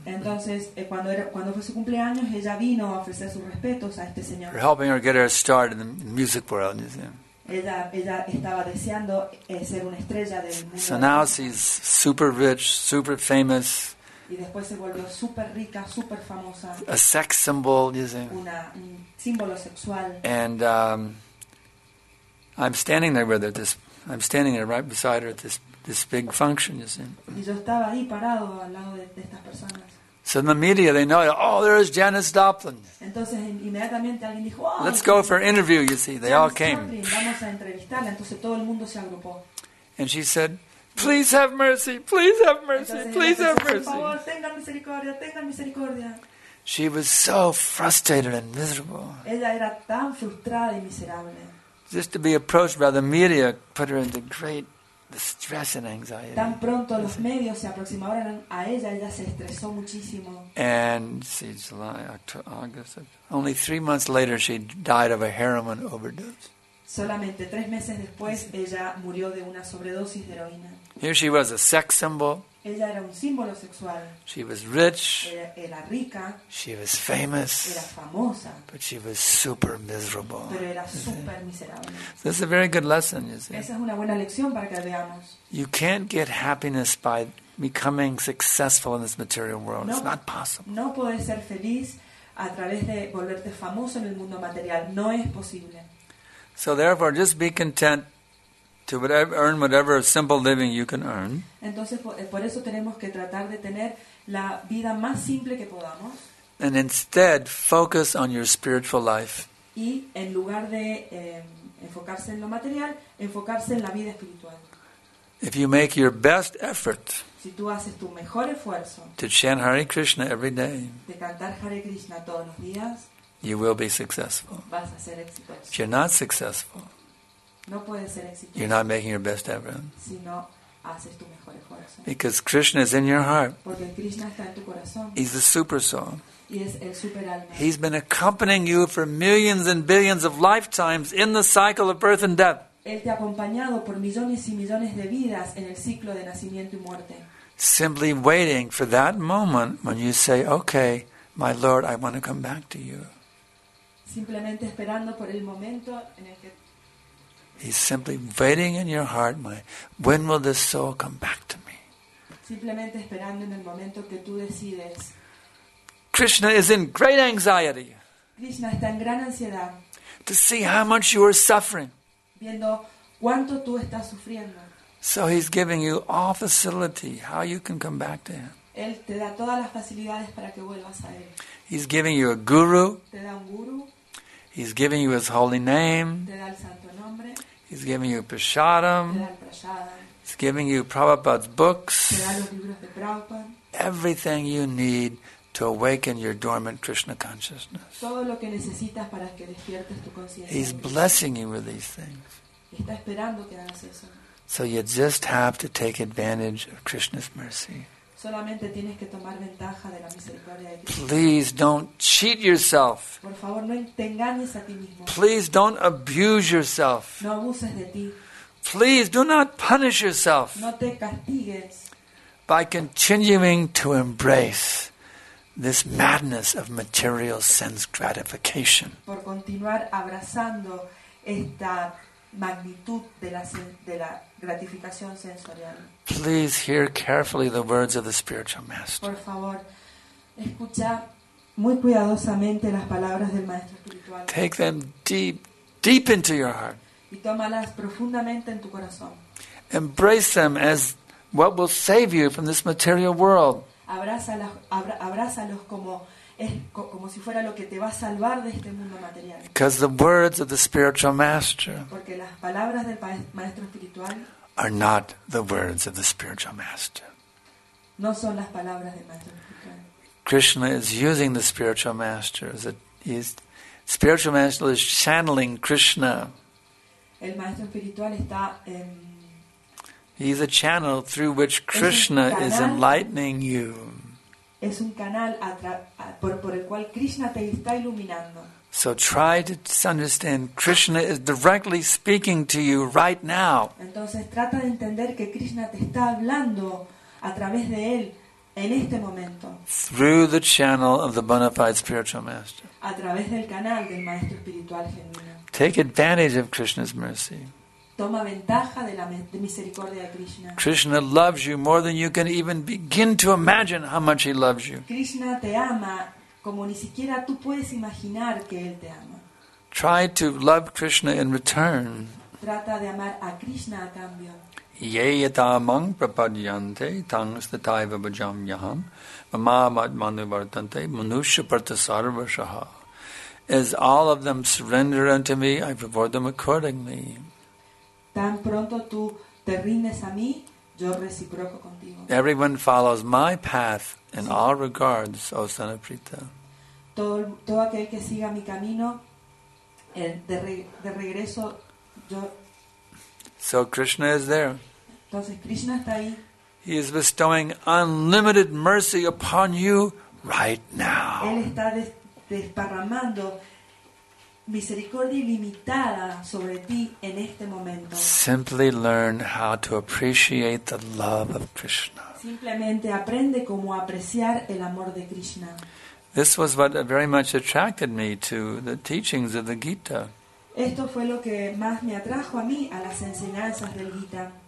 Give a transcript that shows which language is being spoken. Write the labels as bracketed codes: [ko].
[es] Entonces, cuando fue su cumpleaños, ella vino a ofrecer sus respetos a este señor. [en] For helping her get her start in the music world, you see. [es] Ella estaba deseando ser una estrella del mundo. [en] So now she's super rich, super famous. [es] Y después se volvió super rica, super famosa. [en] A sex symbol, you see. [es] Un símbolo sexual. [en] And I'm standing there with her. I'm standing there right beside her at this big function, you see. [es] Y yo estaba ahí parado al lado de estas personas. [en] So in the media, they know, oh, there's Janis Joplin. [es] Entonces, inmediatamente alguien dijo, oh, [en] let's go for an interview, you see. They Janis all came. [es] Vamos a entrevistarla. Entonces, todo el mundo se agrupó. [en] And she said, please have mercy, please have mercy, [es] entonces, [en] please [es] entonces, [en] have mercy. [es] Por favor, tenga misericordia, tenga misericordia. [en] She was so frustrated and miserable. [es] Ella era tan frustrada y miserable. [en] Just to be approached by the media put her into great the stress and anxiety. [es] Tan pronto los medios se aproximaron a ella, ella se estresó muchísimo. [en] And see, July, October, August, only 3 months later, she died of a heroin overdose. [es] Solamente 3 meses después, ella murió de una sobredosis de heroína. [en] Here she was, a sex symbol. [es] Ella era un símbolo sexual. [en] She was rich. [es] Era rica. [en] She was famous. [es] Era famosa. [en] But she was super miserable. [es] Pero era super miserable. [en] This is a very good lesson, you see. [es] Esa es una buena lección para que veamos. [en] You can't get happiness by becoming successful in this material world. It's not possible. [es] No puedes ser feliz a través de volverte famoso en el mundo material. No es posible. [en] So therefore, just be content to earn whatever simple living you can earn. [es] Entonces, por eso tenemos que tratar de tener la vida más simple que podamos. [en] And instead, focus on your spiritual life. [es] y en lugar de enfocarse en lo material, enfocarse en la vida espiritual. [en] If you make your best effort, [es] si tú haces tu mejor esfuerzo, [en] to chant Hare Krishna every day, [es] de cantar Hare Krishna todos los días, [en] you will be successful. [es] Vas a ser exitoso. [en] If you're not successful, [es] no puedes ser exitoso, [en] you're not making your best effort. [es] Si no haces tu mejor esfuerzo. [en] Because Krishna is in your heart. [es] Porque Krishna está en tu corazón. [en] He's the super soul. [es] Y es el super alma. [en] He's been accompanying you for millions and billions of lifetimes in the cycle of birth and death. [es] Él te ha acompañado por millones y millones de vidas en el ciclo de nacimiento y muerte. [en] Simply waiting for that moment when you say, "Okay, my Lord, I want to come back to you." [es] Simplemente esperando por el momento en el que. [en] He's simply waiting in your heart, my. When will this soul come back to me? [es] Simplemente esperando en el momento que tú decides. [en] Krishna is in great anxiety. [es] Krishna está en gran ansiedad. [en] To see how much you are suffering. [es] Viendo cuánto tú estás sufriendo. [en] So he's giving you all facility how you can come back to him. [es] Él te da todas las facilidades para que vuelvas a él. [en] He's giving you a guru. [es] Te da un guru. [en] He's giving you his holy name. [es] Te da el santo nombre. [en] He's giving you prasadam. [es] Te da el prasadam. [en] He's giving you Prabhupada's books. [es] Te da los libros de Prabhupada. [en] Everything you need to awaken your dormant Krishna consciousness. [es] Todo lo que necesitas para que despiertes tu conciencia. [en] He's blessing you with these things. [es] Está esperando que hagas eso. [en] So you just have to take advantage of Krishna's mercy. [es] Solamente tienes que tomar ventaja de la misericordia de Krishna. [en] Please don't cheat yourself. [es] Por favor, no te engañes a ti mismo. [en] Please don't abuse yourself. [es] No abuses de ti. [en] Please do not punish yourself. [es] No te castigues. [en] By continuing to embrace this madness of material sense gratification. [es] Por continuar abrazando esta magnitud de la gratificación sensorial. [en] Please hear carefully the words of the spiritual master. [es] Por favor, escucha muy cuidadosamente las palabras del maestro espiritual. [en] Take them deep into your heart. [es] Y tómalas profundamente en tu corazón. [en] Embrace them as what will save you from this material world. [es] Abrázalos como si fuera lo que te va a salvar de este mundo material. [en] Because the words of the spiritual master. [es] Porque las palabras del maestro espiritual. [en] Are not the words of the spiritual master. [es] No son las palabras del maestro espiritual. [en] Krishna is using the spiritual master. Spiritual master is channeling Krishna. [es] El maestro espiritual está. [en] He's a channel through which Krishna is enlightening you. [es] Es un canal por el cual Krishna te está iluminando. [en] So try to understand Krishna is directly speaking to you right now. [es] Entonces trata de entender que Krishna te está hablando a través de él en este momento. [en] Through the channel of the bona fide spiritual master. [es] A través del canal del maestro espiritual genuino. [en] Take advantage of Krishna's mercy. [es] Toma ventaja de la misericordia de Krishna. [en] Krishna loves you more than you can even begin to imagine how much he loves you. [es] Krishna te ama como ni siquiera tú puedes imaginar que él te ama. [en] Try to love Krishna in return. [es] Trata de amar a Krishna a cambio. [sa] Yeyatamang prapadyante tangstataiva bhajam yaham mamamadmanu vartante manushya pratasarvashaha. [en] As all of them surrender unto me, I reward them accordingly. [es] Tan pronto tú te rindes a mí, yo reciproco contigo. [en] Everyone follows my path in all regards, O Sanaprita. [es] Todo aquel que siga mi camino, de regreso, yo. [en] So Krishna is there. [es] Entonces Krishna está ahí. [en] He is bestowing unlimited mercy upon you right now. [es] Él está desparramando misericordia ilimitada sobre ti en este momento. [en] Simply learn how to appreciate the love of Krishna. [es] Simplemente aprende cómo apreciar el amor de Krishna. [en] This was what very much attracted me to the teachings of the Gita. [es] Esto fue lo que más me atrajo a mí a las enseñanzas del Gita.